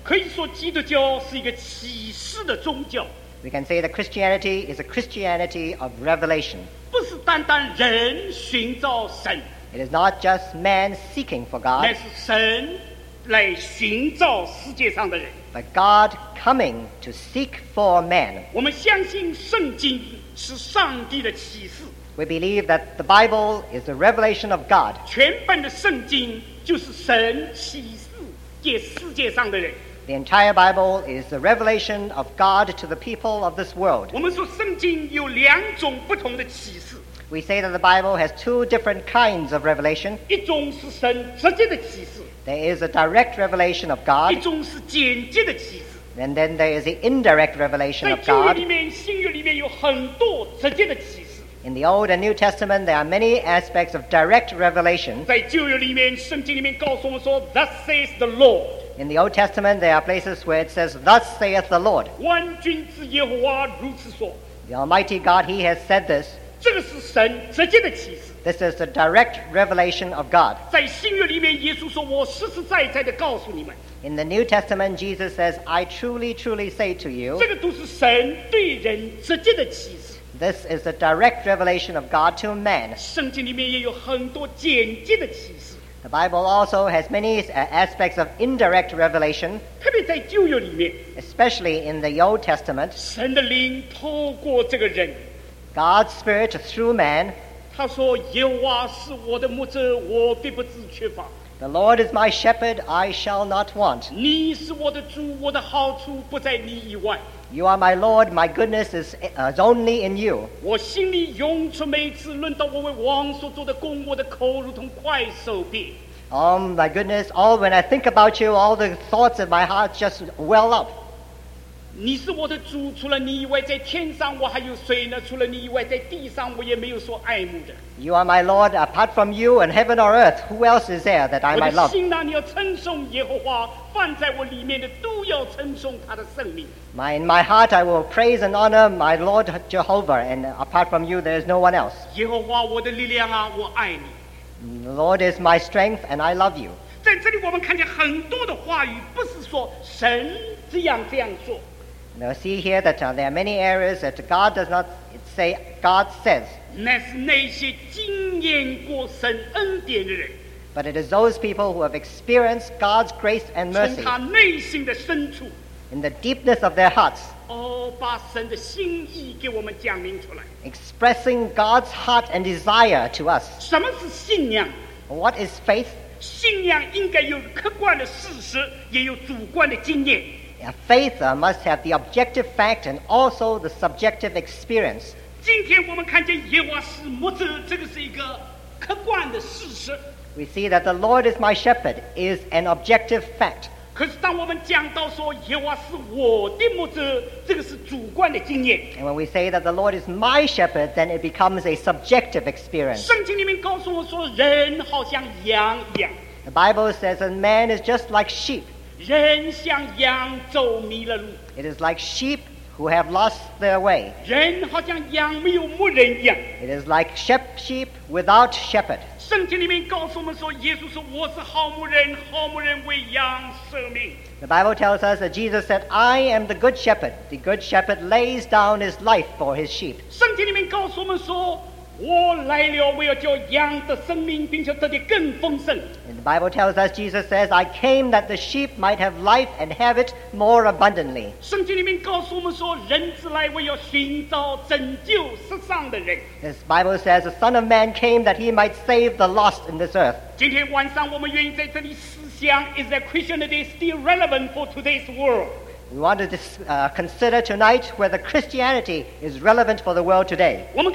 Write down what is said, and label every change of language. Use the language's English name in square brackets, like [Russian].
[Chinese] 可以说基督教是一个启示的宗教 [English] we can say that Christianity is a Christianity of revelation, [Chinese] 不是单单人寻找神 [English] it is not just man seeking for God, [Chinese] 乃是神来寻找世界上的人 [English] but Godcoming to seek for man. [Chinese] 我们相信圣经是上帝的启示。 [English] We believe that the Bible is the revelation of God. [Chinese] 全本的圣经就是神启示给世界上的人。 [English] The entire Bible is the revelation of God to the people of this world. [Chinese] 我们说圣经有两种不同的启示。 [English] We say that the Bible has two different kinds of revelation. [Chinese] 一种是神直接的启示。 [English] There is a direct revelation of God. [Chinese] 一种是间接的启示。 [English] And then there is the indirect revelation of God. [Chinese] 在旧约里面、新约里面有很多直接的启示。 [English] In the Old and New Testament, there are many aspects of direct revelation. [Chinese] 在旧约里面、圣经里面告诉我们说 [English] "Thus says the Lord." In the Old Testament, there are places where it says "Thus saith the Lord." [Chinese] 万军之耶和华如此说。 [English] The Almighty God, He has said this. [Chinese] 这个是神直接的启示。 [English] This is the direct revelation of God. [Chinese] 在新约里面，耶稣说：“我实实在在的告诉你们。” [English] In the New Testament, Jesus says, "I truly, truly say to you." [Chinese] 这个都是神对人直接的启示。 [English] This is the direct revelation of God to man. [Chinese] 圣经里面也有很多间接的启示。 [English] The Bible also has many aspects of indirect revelation. [Chinese] 特别在旧约里面。 [English] Especially in the Old Testament. [Chinese] 神的灵透过这个人。 [English] God's Spirit through man. [Chinese] 他说：“耶和华是我的牧者，我必不致缺乏。” [English] The Lord is my shepherd, I shall not want. [Chinese] 你是我的主，我的好处不在你以外。 [English] You are my Lord, my goodness is, only in you. [Chinese] 我心里涌出每次论到我为王所做的功，我的口如同快手臂。 [English] Oh my goodness, all when I think about you, all the thoughts of my heart just well up. [Chinese] 你是我的主，除了你以外，在天上我还有谁呢？除了你以外，在地上我也没有说爱慕的。 [English] You are my Lord, apart from you in heaven or earth, who else is there that I might love? [Chinese] 我的心哪，你要称颂耶和华，放在我里面的都要称颂他的圣名。 [English] In my heart, I will praise and honor my Lord Jehovah, and apart from you, there is no one else. [Chinese] 耶和华，我的力量啊，我爱你。 [English] The Lord is my strength, and I love you. [Chinese] 在这里我们看见很多的话语，不是说神这样这样做。 [English] Now see here that there are many areas that God does not say, God says. [Chinese] 那是那些经验过神恩典的人。 [English] But it is those people who have experienced God's grace and mercy. [Chinese] 从他内心的深处。 [English] In the deepness of their hearts. [Chinese] 哦，把神的心意给我们讲明出来。 [English] Expressing God's heart and desire to us. [Chinese] 什么是信仰？ [English] What is faith? [Chinese] 信仰应该有客观的事实，也有主观的经验。 [English] A faith must have the objective fact and also the subjective experience. [Chinese] 今天我们看见耶和华是牧者，这个是一个客观的事实。 [English] We see that the Lord is my shepherd is an objective fact. [Chinese] 可是当我们讲到说耶和华是我的牧者，这个是主观的经验。 [English] And when we say that the Lord is my shepherd, then it becomes a subjective experience. [Chinese] 圣经里面告诉我说，人好像羊一样。 [English] The Bible says that man is just like sheep. [Chinese] 人像羊走迷了路。 [English] It is like sheep who have lost their way. [Chinese] 人好像羊没有牧人一样。 [English] It is like sheep without shepherd. [Chinese] 圣经里面告诉我们说，耶稣说，我是好牧人，好牧人为羊舍命。 [English] The Bible tells us that Jesus said, I am the good shepherd. The good shepherd lays down his life for his sheep. [Chinese] 圣经里面告诉我们说，我来了，我要叫羊的生命，并且得的更丰盛。 [English] And the Bible tells us, Jesus says, I came that the sheep might have life and have it more abundantly. [Chinese] 圣经里面告诉我们说，人子来为要寻找拯救失丧的人。 [English] The Bible says, the Son of Man came that he might save the lost in this earth. [Chinese] 今天晚上我们愿意在这里思想， [English] Is that Christianity still relevant for today's world? We want to consider tonight whether Christianity is relevant for the world today.